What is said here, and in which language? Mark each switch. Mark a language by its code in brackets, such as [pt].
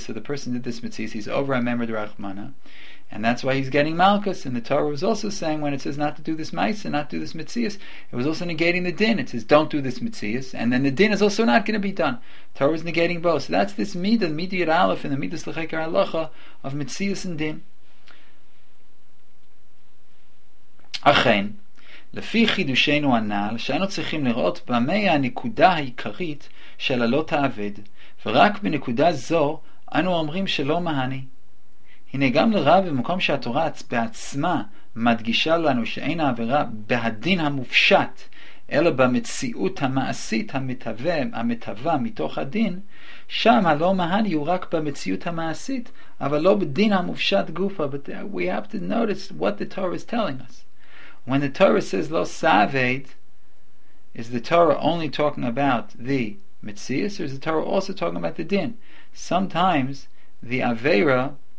[en] So the person did this mitzias, he's over a member of the Rachmana, and that's why he's getting malchus. And the Torah was also saying, when it says not to do this ma'isa, not do this mitzias, it was also negating the din. It says don't do this mitzias, and then the din is also not going to be done. The Torah is negating both. So that's this midah, midah aleph, and the midah slachekar halacha of mitzias and din. [he] Achen, לפי חידושנו הנעל, שאנו צריכים לראות במה הנקודה העיקרית של הלא תעבד, ורק בנקודה זו אנו אומרים שלא מהני. הנה גם לרב במקום שהתורה בעצמה מדגישה לנו שאין העבירה בהדין המופשט, אלא במציאות המעשית המתווה מתוך הדין, שם הלא מהני הוא רק במציאות המעשית, אבל לא בדין המופשט גופה. [en] But we have to notice what the Torah is telling us. When the Torah says lo saved, is the Torah only talking about the mitzias, or is the Torah also talking about the din? Sometimes the avera